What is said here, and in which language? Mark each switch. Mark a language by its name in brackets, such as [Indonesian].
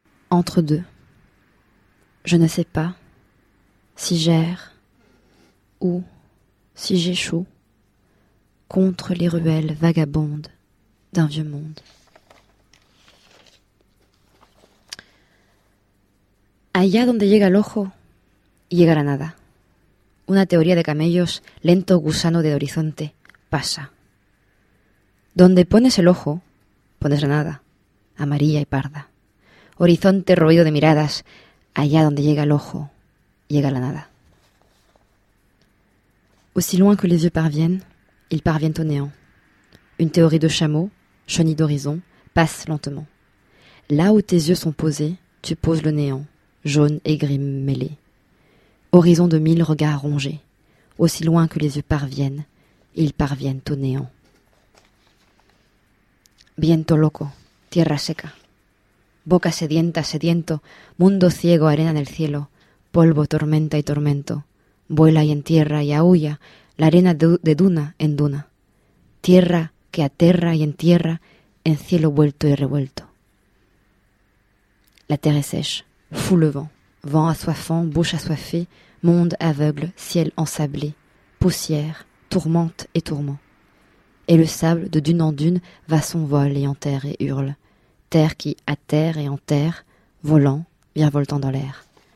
[French] Entre deux, je ne sais pas si j'erre ou si j'échoue contre les ruelles vagabondes d'un vieux monde. [Spanish] Allá donde llega el ojo, llega la nada. Una teoría de camellos, lento gusano de horizonte, pasa. Donde pones el ojo, pones la nada, amarilla y parda. Horizonte roído de miradas, allá donde llega l'ojo, llega la nada. [French] Aussi loin que les yeux parviennent, ils parviennent au néant. Une théorie de chameau, chenille d'horizon, passe lentement. Là où tes yeux sont posés, tu poses le néant, jaune et gris mêlé. Horizon de mille regards rongés, aussi loin que les yeux parviennent, ils parviennent au néant. [Spanish] Viento loco, tierra seca. Boca sedienta, sediento, mundo ciego, arena en el cielo, polvo, tormenta y tormento, vuela y entierra y aúlla, la arena de duna en duna, tierra que aterra y entierra, en cielo vuelto y revuelto. [French] La terre est sèche, fout le vent, vent assoiffant, bouche assoiffée, monde aveugle, ciel ensablé, poussière, tourmente et tourment. Et le sable de dune en dune va son vol et enterre et hurle. Terre qui atterre et enterre, volant, virevoltant dans l'air.